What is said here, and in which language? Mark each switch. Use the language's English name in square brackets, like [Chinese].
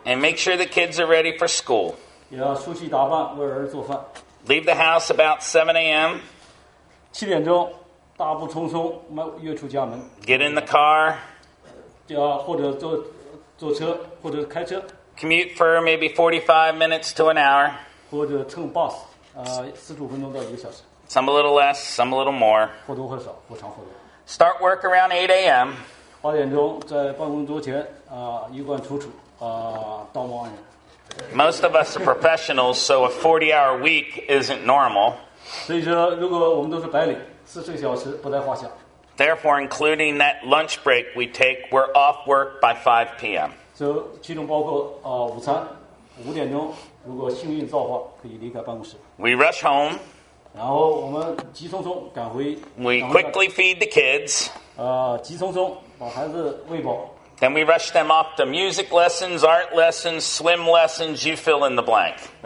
[English] and make sure the kids are ready for school. [Chinese] 要梳洗打扮, 为儿子做饭, [English] leave the house about 7 a.m. [Chinese] 7点钟, 大步冲冲, 越出家门, [English] get in the car. [Chinese] 要或者坐车, 或者开车, [English] commute for maybe 45 minutes to an hour. [Chinese] 或者乘 bus, 45分钟到1个小时, [English] some a little less, some a little more. [Chinese] 或多或少, 或长或短。 [English] Start work around 8 a.m. [Chinese] 8点钟在办公桌前，衣冠楚楚，道貌岸然。 [English] Most of us are professionals, so a 40-hour week isn't normal. [Chinese] 所以说，如果我们都是白领，40个小时不在话下。 [English] Therefore, including that lunch break we take, we're off work by 5 p.m. [Chinese] 所以其中包括午餐，5点钟，如果幸运造化，可以离开办公室。 [English] We rush home. [Chinese] 然后我们急匆匆赶回, [English] we quickly feed the kids. [Chinese] 急匆匆把孩子喂饱, [English] then we rush them off to music lessons, art lessons, swim lessons, you fill in the blank.